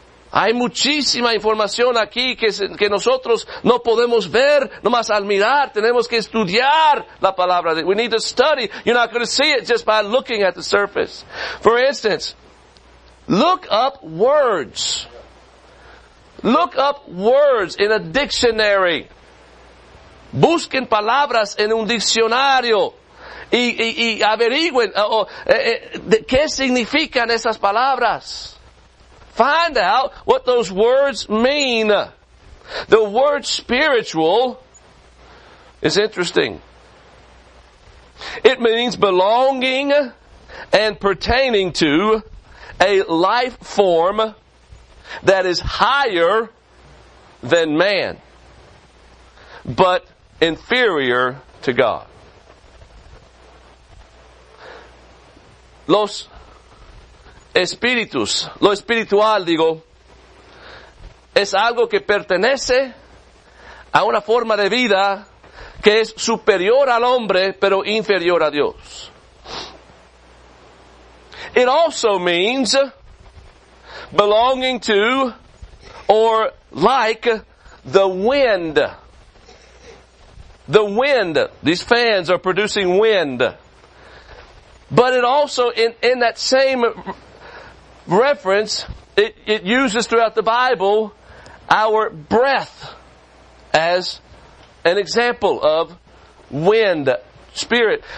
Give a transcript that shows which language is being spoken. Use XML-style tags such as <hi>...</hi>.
<es>Hay muchísima información aquí que nosotros no podemos ver, nomás al mirar, tenemos que estudiar la palabra.</es> <en>We need to study. You're not going to see it just by looking at the surface. For instance, look up words. Look up words in a dictionary.</en> <es>Busquen palabras en un diccionario. Y averigüen qué significan esas palabras.</es> <en>Find out what those words mean. The word spiritual is interesting. It means belonging and pertaining to a life form that is higher than man, but inferior to God.</en> <es>Los espíritus, lo espiritual, digo, es algo que pertenece a una forma de vida que es superior al hombre, pero inferior a Dios.</es> <en>It also means belonging to or like the wind. The wind. These fans are producing wind. But it also, in that same reference, it uses throughout the Bible our breath as an example of wind, spirit.</en>